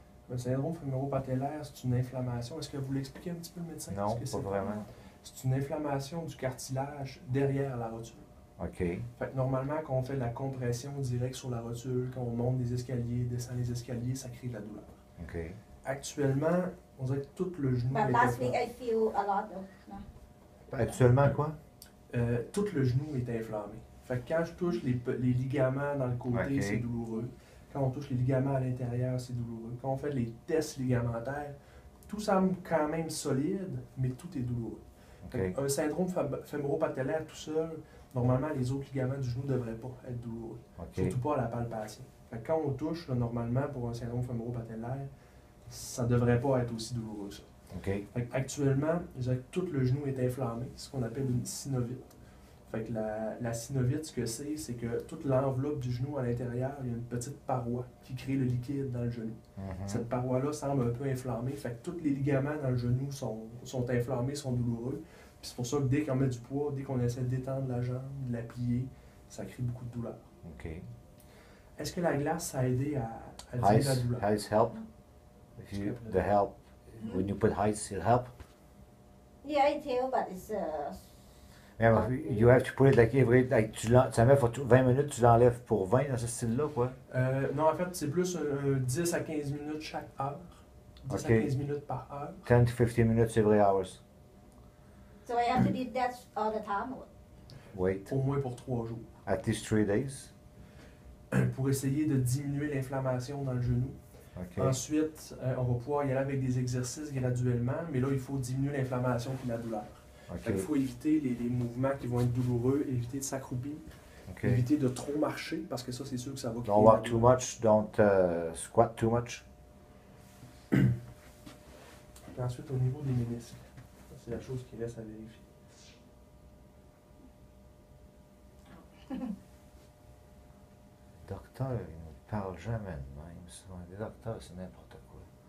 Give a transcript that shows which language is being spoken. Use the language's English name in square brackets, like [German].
[French] Le syndrome fémoro-patellaire, c'est une inflammation. Est-ce que vous l'expliquez un petit peu, le médecin? Non, pas c'est vraiment. C'est une inflammation du cartilage derrière la rotule. OK. Fait que normalement, quand on fait de la compression directe sur la rotule, quand on monte les escaliers, descend les escaliers, ça crée de la douleur. OK. Actuellement, on dirait que tout le genou est inflammé. [English] But last week, I feel a lot of... [French] Actuellement, quoi? Tout le genou est inflammé. Fait que quand je touche les ligaments dans le côté, okay, c'est douloureux. Quand on touche les ligaments à l'intérieur, c'est douloureux. Quand on fait les tests ligamentaires, tout semble quand même solide, mais tout est douloureux. Okay. Un syndrome fémoro-patellaire tout seul, normalement, les autres ligaments du genou ne devraient pas être douloureux. Okay. Surtout pas à la palpation. Fait que quand on touche, là, normalement, pour un syndrome fémoro-patellaire, ça ne devrait pas être aussi douloureux que ça. Okay. Fait que actuellement, j'ai tout le genou est inflammé, ce qu'on appelle une synovite. Fait que la synovite, ce que c'est que toute l'enveloppe du genou à l'intérieur, il y a une petite paroi qui crée le liquide dans le genou. Mm-hmm. Cette paroi-là semble un peu inflammée, fait que tous les ligaments dans le genou sont inflammés, sont douloureux. Puis c'est pour ça que dès qu'on met du poids, dès qu'on essaie d'étendre la jambe, de la plier, ça crée beaucoup de douleur. OK. Est-ce que la glace, ça a aidé à diminuer la douleur? [English] Ice help? If you, the help, when you put ice, it help? Yeah, it help, but it's... Yeah, but you have to put it like every like [French] tu l'en, ça met pour 20 minutes, tu l'enlèves pour 20 dans ce style-là, quoi? Non, en fait, c'est plus 10 à 15 minutes chaque heure. 10 okay. à 15 minutes par heure. [English] 10 to 15 minutes every hour. So I have to do that all the time? Wait. [French] Au moins pour 3 jours. [English] At least 3 days? [French] Pour essayer de diminuer l'inflammation dans le genou. Okay. Ensuite, on va pouvoir y aller avec des exercices graduellement, mais là, il faut diminuer l'inflammation et la douleur. Okay. Il faut éviter les mouvements qui vont être douloureux, éviter de s'accroupir, okay, éviter de trop marcher, parce que ça, c'est sûr que ça va [English] créer. Don't walk too much, don't squat too much. [French] Et ensuite, au niveau des ménisques, c'est la chose qui reste à vérifier. Docteur, il ne parle jamais de même. Souvent, les docteurs, c'est n'importe quoi.